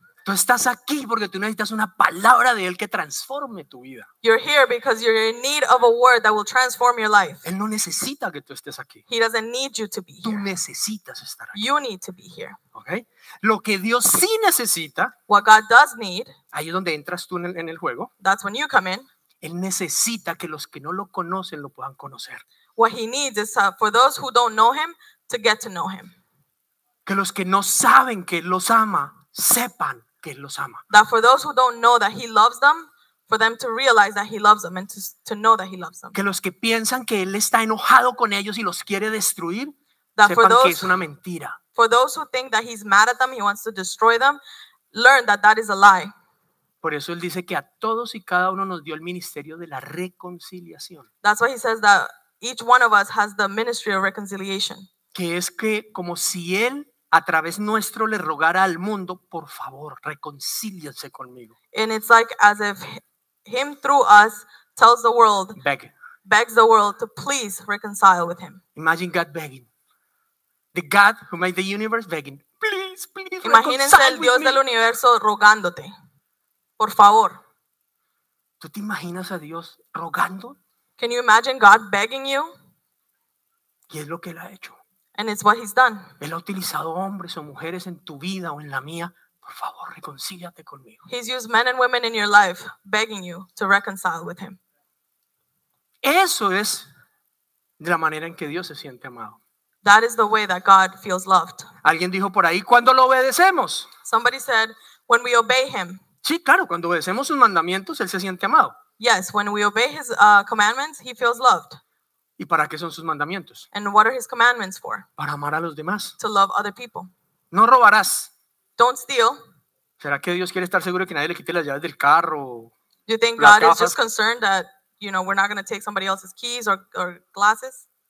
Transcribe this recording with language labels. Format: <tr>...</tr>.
<es>Tú estás aquí porque tú necesitas una palabra de Él que transforme tu vida.</es> <en>You're here because you're in need of a word that will transform your life.</en> <es>Él no necesita que tú estés aquí.</es> <en>He doesn't need you to be here.</en> <es>Tú necesitas estar aquí.</es> <en>You need to be here.</en> <es>Okay. Lo que Dios sí necesita.</es> <en>What God does need.</en> <es>Ahí es donde entras tú en el juego.</es> <en>That's when you come in.</en> <es>Él necesita que los que no lo conocen lo puedan conocer.</es> <en>What he needs is for those who don't know him to get to know him.</en> <es>Que los que no saben que Él los ama, sepan que Él los ama.</es> <en>That for those who don't know that He loves them, for them to realize that He loves them and to know that He loves them.</en> <es>Que los que piensan que Él está enojado con ellos y los quiere destruir,</es> <en>that</en> <es>sepan</es> <en>those,</en> <es>que es una mentira.</es> <en>For those who think that He's mad at them, He wants to destroy them, learn that that is a lie.</en> <es>Por eso Él dice que a todos y cada uno nos dio el ministerio de la reconciliación.</es> <en>That's why He says that each one of us has the ministry of reconciliation.</en> <es>Que es que como si Él a través nuestro le rogara al mundo, por favor, reconcíliense conmigo.</es> <en>And it's like as if him through us tells the world, begs the world to please reconcile with him. Imagine God begging. The God who made the universe begging, please, please, reconcile.</en> <es>Imagínense el Dios del universo rogándote, por favor. ¿Tú te imaginas a Dios rogando?</es> <en>Can you imagine God begging you?</en> <es>¿Y es lo que él ha hecho?</es> <en>And it's what he's done.</en> <es>Él ha utilizado hombres o mujeres en tu vida o en la mía. Por favor, reconcíliate conmigo.</es> <en>He's used men and women in your life begging you to reconcile with him.</en> <es>Eso es de la manera en que Dios se siente amado.</es> <en>That is the way that God feels loved.</en> <es>Alguien dijo por ahí, ¿cuándo lo obedecemos?</es> <en>Somebody said, when we obey him.</en> <es>Sí, claro, cuando obedecemos sus mandamientos, él se siente amado.</es> <en>Yes, when we obey his commandments, he feels loved.</en> <es>¿Y para qué son sus mandamientos?</es> <en>And what are his commandments for?</en> <es>Para amar a los demás.</es> <en>To love other people.</en> <es>No robarás.</es> <en>Don't steal.</en> <es>¿Será que Dios quiere estar seguro que nadie le quite las llaves del carro?</es> <en>Do you think God is just concerned that, you know, we're not going to take somebody else's keys or glasses?</en>